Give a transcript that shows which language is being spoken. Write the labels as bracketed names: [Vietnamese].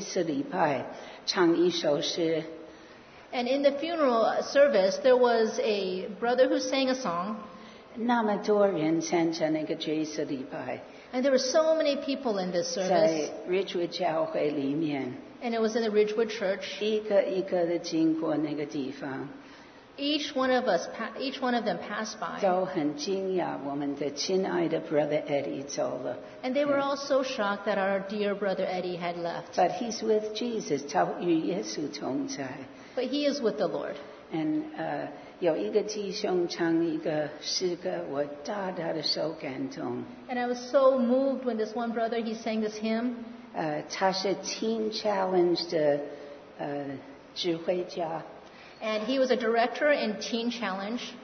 [Chinese] 有一个弟兄在他的这一次礼拜唱一首诗。 [English] And in the funeral service, there was a brother who sang a song. [Chinese] 那么多人参加那个这一次礼拜。 [English] And there were so many people in this service. [Chinese] 在Ridgewood教会里面, [English] and it was in the Ridgewood Church. [Chinese] 一个一个的经过那个地方, [English] each one of them passed by. [Chinese] 都很惊讶我们的亲爱的 Brother Eddie走了, [English] and they were all so shocked that our dear Brother Eddie had left. But he's with Jesus. [Chinese] 他与耶稣同在。 [English] But he is with the Lord. [Chinese] And 有一个弟兄唱一个诗歌，我大大的受感动。 [English] And I was so moved when this one brother, he sang this hymn. [Chinese] 他是Teen Challenge的指挥家。 [English] And he was a director in Teen Challenge.